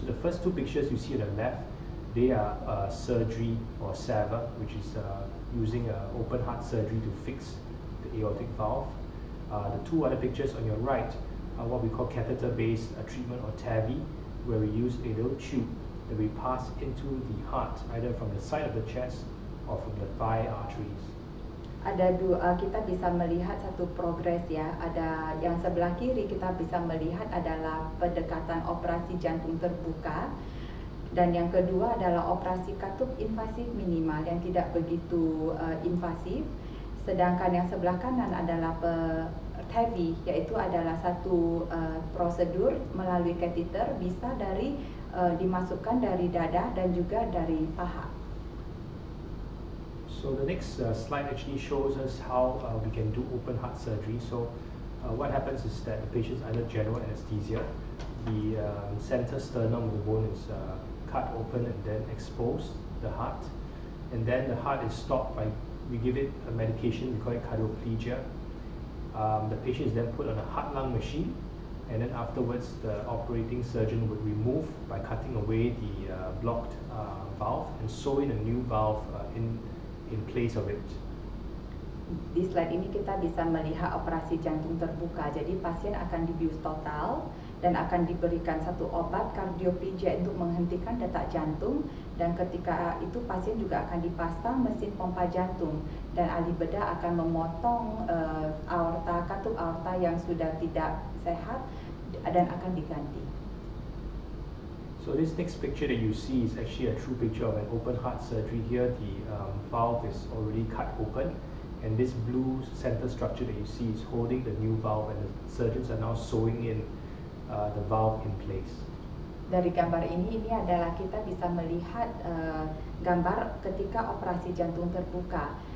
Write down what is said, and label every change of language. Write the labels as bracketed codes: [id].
[en] So the first two pictures you see on the left, they are surgery or SAVR, which is using open heart surgery to fix aortic valve. The two other pictures on your right are what we call catheter-based treatment or TAVI, where we use a little tube that we pass into the heart, either from the side of the chest or from the thigh arteries. [id] Ada dua, kita bisa melihat satu progres ya. Ada yang sebelah kiri kita bisa melihat adalah pendekatan operasi jantung terbuka. Dan yang kedua adalah operasi katup invasif minimal yang tidak begitu invasif. Sedangkan yang sebelah kanan adalah TAVI, yaitu adalah satu prosedur melalui kateter bisa dari dimasukkan dari dada dan juga dari paha. [en] So the next slide actually shows us how we can do open heart surgery. So what happens is that the patient's under general anesthesia, the center sternum of the bone is cut open and then exposed the heart, and then the heart is stopped by, we give it a medication, we call it cardioplegia. The patient is then put on a heart-lung machine, and then afterwards the operating surgeon would remove by cutting away the blocked valve and sew in a new valve in place of it. [id] Di slide ini kita bisa melihat operasi jantung terbuka. Jadi pasien akan dibius total dan akan diberikan satu obat kardioplegia untuk menghentikan detak jantung, dan ketika itu pasien juga akan dipasang mesin pompa jantung, dan ahli bedah akan memotong aorta, katup aorta yang sudah tidak sehat, dan akan diganti. [en] So this next picture that you see is actually a true picture of an open heart surgery. Here the valve is already cut open, and this blue center structure that you see is holding the new valve, and the surgeons are now sewing in the valve in place. [id] Dari gambar ini adalah kita bisa melihat gambar ketika operasi jantung terbuka.